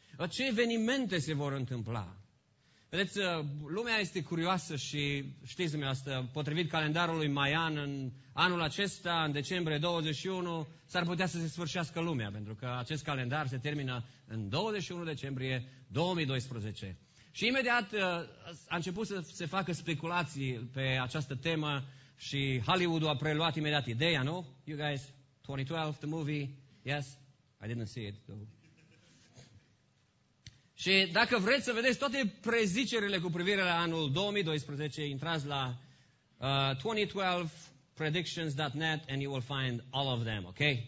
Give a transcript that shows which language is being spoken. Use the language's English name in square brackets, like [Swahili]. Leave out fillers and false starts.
[Romanian] Ce evenimente se vor întâmpla? Vedeți, lumea este curioasă și știți dumneavoastră, potrivit calendarului Maian, în anul acesta, în decembrie 21, s-ar putea să se sfârșească lumea, pentru că acest calendar se termină în 21 decembrie 2012. Și imediat a început să se facă speculații pe această temă și Hollywood-ul a preluat imediat ideea, nu? [English] You guys... 2012, the movie, yes, I didn't see it, though. [Romanian] Și dacă vreți să vedeți toate prezicerile cu privire la anul 2012, intrați la 2012predictions.net [English] and you will find all of them, ok?